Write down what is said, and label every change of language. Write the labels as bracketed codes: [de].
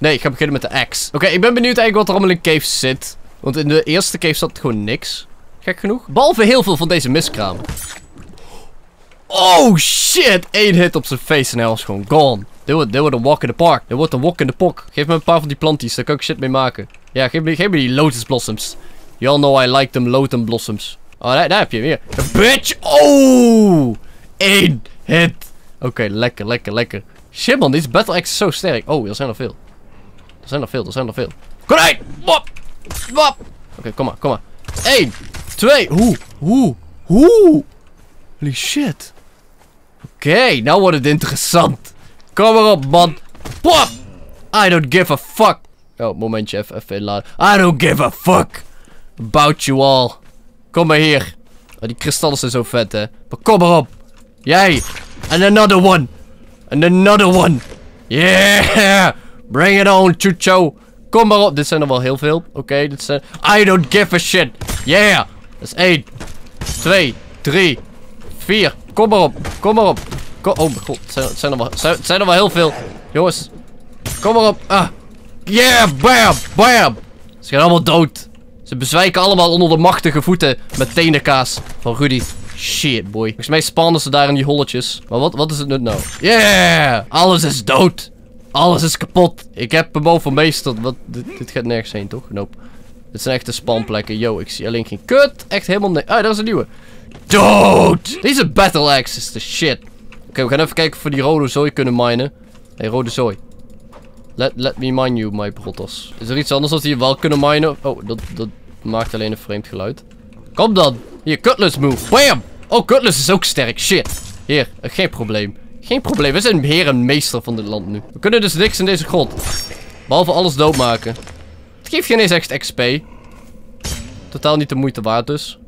[nl] Nee, ik ga beginnen met de axe. Oké, ik ben benieuwd eigenlijk wat er allemaal in cave zit. Want in de eerste cave zat gewoon niks. Gek genoeg. Behalve heel veel van deze miskraam. Oh shit! Eén hit op zijn face en hij was gewoon gone. Dit wordt een [en] walk in the park. [nl] Dit wordt een walk in the park. Geef me een paar van die planties. Daar kan ik shit mee maken. Ja, geef me die lotus blossoms. [en] You all know I like them lotus blossoms. [nl] Oh, daar heb je hem hier. Bitch! Oh! Eén hit! Oké, lekker. Shit man, deze battle axe is zo sterk. Oh, er zijn er veel. Konijn! Wop! Wop! Oké, kom maar. 1, 2, hoe? Holy shit. Oké, nou wordt het interessant. Kom maar op, man. [en] Pop! I don't give a fuck. [nl] Oh, momentje, even inladen. [en] I don't give a fuck about you all. [nl] Kom maar hier. Oh, die kristallen zijn zo vet, hè. Maar kom maar op. [en] Jij! And another one. And another one. Yeah. Bring it on, Chucho. [nl] Kom maar op. Dit zijn er wel heel veel. Oké, dit zijn... [en] I don't give a shit. [nl] Yeah. Dat is 1. 2. 3. 4. Kom maar op. Oh mijn god. Het zijn er wel heel veel. Jongens. Kom maar op. Yeah. Bam. Ze gaan allemaal dood. Ze bezwijken allemaal onder de machtige voeten. Met tenenkaas. Van Rudy. Shit, boy. Volgens mij spannen ze daar in die holletjes. Maar wat is het nut nou? Yeah! Alles is dood. Alles is kapot. Ik heb hem overmeesterd. Wat? Dit gaat nergens heen, toch? Nope. Dit zijn echte spanplekken. Yo, ik zie alleen geen kut. Echt helemaal nee. Ah, daar is een nieuwe. Dood! Deze battle axe is de shit. Oké, we gaan even kijken of we die rode zooi kunnen minen. Hey, rode zooi. [en] Let me mine you, my brothers. [nl] Is er iets anders dat we hier wel kunnen minen? Oh, dat maakt alleen een vreemd geluid. Kom dan. Hier, Cutlass move. Bam! Oh, Cutlass is ook sterk. Shit. Hier, geen probleem. Geen probleem. We zijn heer en meester van dit land nu. We kunnen dus niks in deze grot. Behalve alles doodmaken. Het geeft geen eens echt XP. Totaal niet de moeite waard dus.